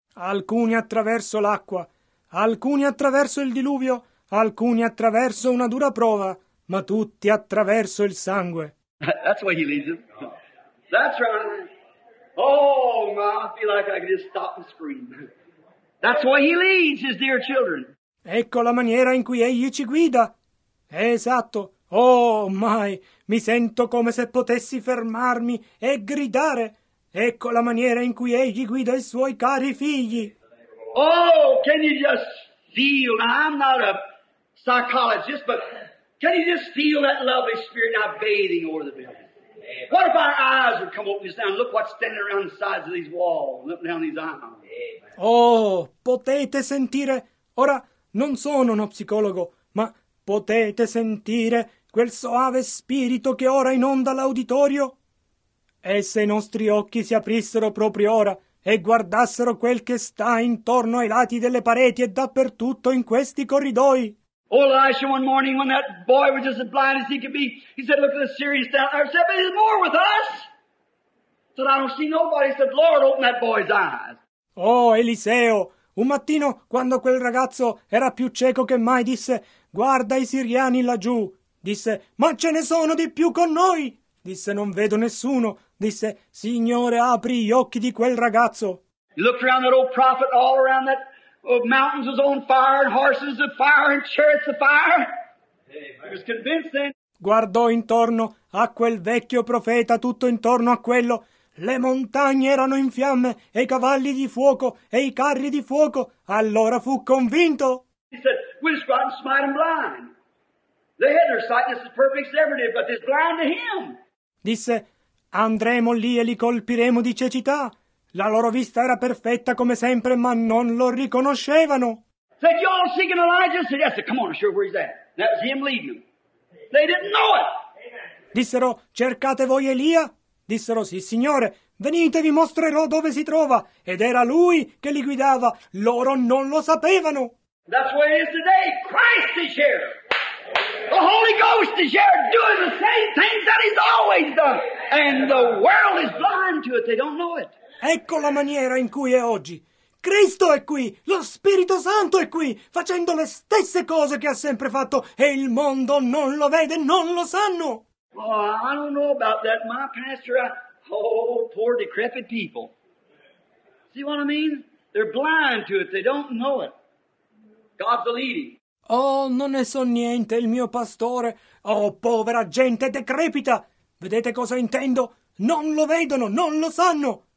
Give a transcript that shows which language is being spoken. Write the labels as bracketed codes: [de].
[it] Alcuni attraverso l'acqua, alcuni attraverso il diluvio, alcuni attraverso una dura prova, ma tutti attraverso il sangue. [en] That's where he leads them. That's right. Oh, my, I feel like I could just stop and scream. That's where he leads his dear children. [it] Ecco la maniera in cui egli ci guida. Esatto. Oh, mai! Mi sento come se potessi fermarmi e gridare. Ecco la maniera in cui egli guida i suoi cari figli. [en] Oh, can you just feel? Now, I'm not a psychologist, but can you just feel that lovely spirit now bathing over the building? What if our eyes would come open just now and look what's standing around the sides of these walls, looking down these aisles? [it] Oh, potete sentire. Ora, non sono uno psicologo, ma potete sentire quel soave spirito che ora inonda l'auditorio? E se i nostri occhi si aprissero proprio ora e guardassero quel che sta intorno ai lati delle pareti e dappertutto in questi corridoi? [en] Oh, Elisha, one morning when that boy was just as blind as he could be, he said, look at the series down there. He said, but he's more with us. He said, I don't see nobody. He said, Lord, open that boy's eyes. [it] Oh, Eliseo, un mattino, quando quel ragazzo era più cieco che mai, disse, guarda i siriani laggiù. Disse, ma ce ne sono di più con noi. Disse, non vedo nessuno. Disse, Signore, apri gli occhi di quel ragazzo. [en] He looked around that old prophet, all around that mountains was on fire, and horses of fire, and chariots of fire. He was convinced then. [it] Guardò intorno a quel vecchio profeta, tutto intorno a quello. Le montagne erano in fiamme, e i cavalli di fuoco, e i carri di fuoco. Allora fu convinto. [en] He said, we'll just go out and smite them blind. They had their sight, this is perfect severity, but it's blind to him. [it] Disse, andremo lì e li colpiremo di cecità. La loro vista era perfetta come sempre, ma non lo riconoscevano. [en] Said, you all seeking Elijah? Said, yes, come on, I'm sure where he's at. That was him leading them. They didn't know it. [it] Dissero, cercate voi Elia? Dissero, sì, signore, venite, vi mostrerò dove si trova. Ed era lui che li guidava. Loro non lo sapevano. [en] That's what it is today. Christ is here. The Holy Ghost is here doing the same things that he's always done. And the world is blind to it. They don't know it. [it] Ecco la maniera in cui è oggi. Cristo è qui, lo Spirito Santo è qui, facendo le stesse cose che ha sempre fatto, e il mondo non lo vede, non lo sanno. [en] Oh, I don't know about that, my pastor. Oh, poor decrepit people. See what I mean? They're blind to it, they don't know it. God's the leading. [it] Oh, non ne so niente, il mio pastore. Oh, povera gente decrepita. Vedete cosa intendo? Non lo vedono, non lo sanno.